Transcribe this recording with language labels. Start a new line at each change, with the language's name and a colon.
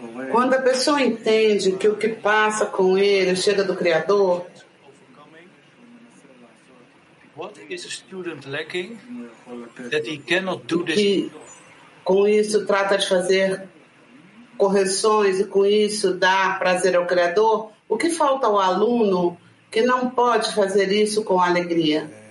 Portuguese: Quando a pessoa entende que o que passa com ele chega do Criador,
English: what is a student lacking that he cannot do this?
Portuguese: Que com isso trata de fazer correções e com isso dá prazer ao Criador. O que falta ao aluno que não pode fazer isso com alegria?